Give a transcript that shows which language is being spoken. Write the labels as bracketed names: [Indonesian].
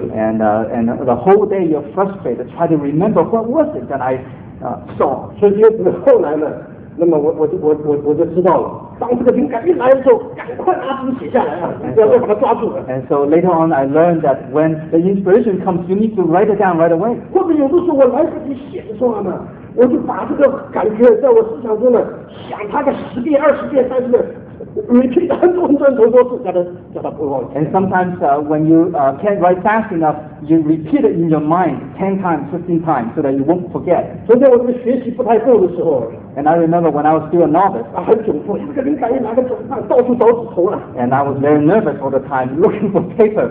[English] and the whole day you're frustrated try to remember what was it that I saw [Chinese] 所以后来呢那么我就知道了当这个灵感一来的时候赶快拿纸写下来啊要把它抓住了 [English] and so later on I learned that when the inspiration comes you need to write it down right away [Chinese] 或者有的时候我来不及写的时候呢我就把这个感觉在我思想中呢想它个十遍二十遍三十遍 [English] And sometimes when you can't write fast enough, you repeat it in your mind 10 times, 15 times, so that you won't forget. And I remember when I was still a novice, and I was very nervous all the time looking for paper.